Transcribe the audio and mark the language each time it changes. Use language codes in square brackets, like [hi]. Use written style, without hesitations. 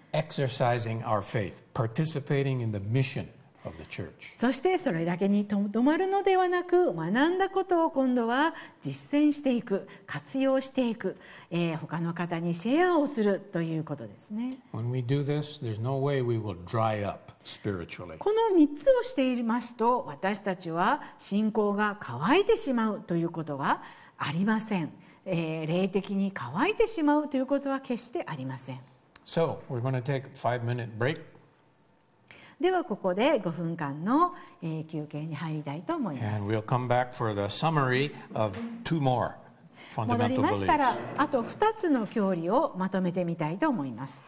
[en] And exercising our faith, participating in the mission. Of the church. [ja] そしてそれだけにとどまるのではなく学んだことを今度は実践していく活用していく、他の方にシェアをするということですね。 [en] When we do this, there's no way we will dry up spiritually. [ja] この3つをしていますと私たちは信仰が乾いてしまうということはありません、霊的に乾いてしまうということは決してありません。 [en] So we're going to take a 5-minute break. [ja] ではここで5分間の休憩に入りたいと思います。 [en] And we'll come back for the summary of two more fundamental beliefs. [ja] 戻りましたら、あと2つの教理をまとめてみたいと思います。